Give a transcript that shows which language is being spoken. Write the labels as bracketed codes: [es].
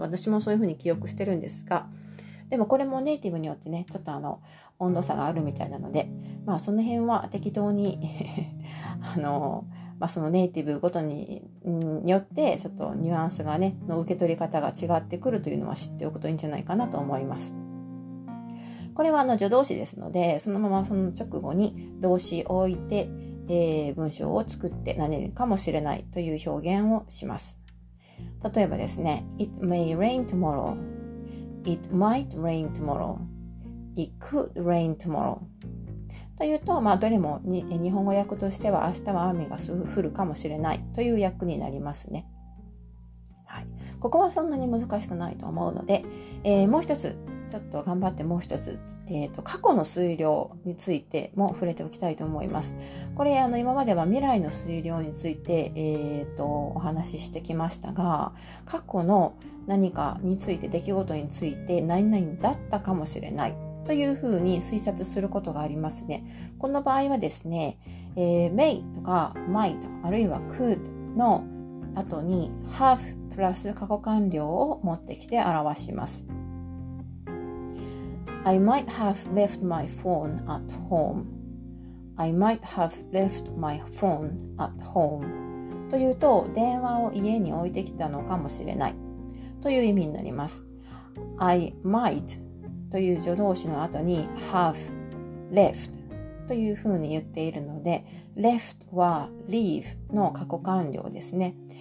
[ja] 私もそういうふうに記憶してるんですが、でもこれもネイティブによってね、ちょっと温度差があるみたいなので、まあその辺は適当に、まあそのネイティブごとによって、ちょっとニュアンスがね、の受け取り方が違ってくるというのは知っておくといいんじゃないかなと思います。これは助動詞ですので、そのままその直後に動詞を置いて、文章を作って何かもしれないという表現をします。例えばですね、 [en] It may rain tomorrow. It might rain tomorrow. It could rain tomorrow. [ja] というと、まあ、どれも日本語訳としては、明日は雨が降るかもしれないという訳になりますね。はい。ここはそんなに難しくないと思うので、もう一つ、ちょっと頑張ってもう一つ、過去の推量についても触れておきたいと思います。これ、今までは未来の推量について、お話ししてきましたが、過去の何かについて、出来事について何々だったかもしれないというふうに推察することがありますね。この場合はですね、may とか might あるいは could の後に have プラス過去完了を持ってきて表します。 [en] I might have left my phone at home. I might have left my phone at home. [ja] というと、電話を家に置いてきたのかもしれないという意味になります。 [en] I might [ja] という助動詞の後に have left というふうに言っているので、left は leave の過去完了ですね。